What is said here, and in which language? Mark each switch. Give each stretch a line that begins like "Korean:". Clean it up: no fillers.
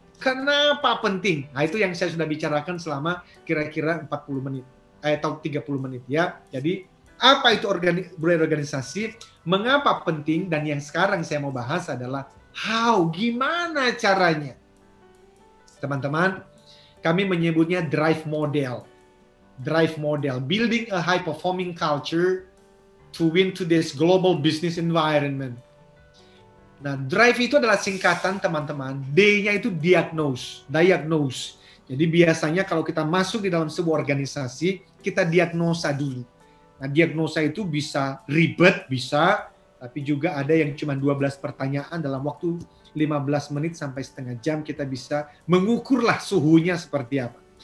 Indonesian: Kenapa penting? Nah, itu yang saya sudah bicarakan selama kira-kira 40 menit. Atau 30 menit ya. Jadi apa itu organisasi, mengapa penting, dan yang sekarang saya mau bahas adalah how, gimana caranya. Teman-teman, kami menyebutnya drive model.
English: Drive model, building a high performing culture to win today's global business environment.
Indonesian: Nah, drive itu adalah singkatan teman-teman, D-nya itu diagnose. Jadi biasanya kalau kita masuk di dalam sebuah organisasi, kita diagnosa dulu. Nah, diagnosa itu bisa ribet, bisa, tapi juga ada yang cuma 12 pertanyaan dalam waktu 15 menit sampai setengah jam, kita bisa mengukurlah suhunya seperti apa.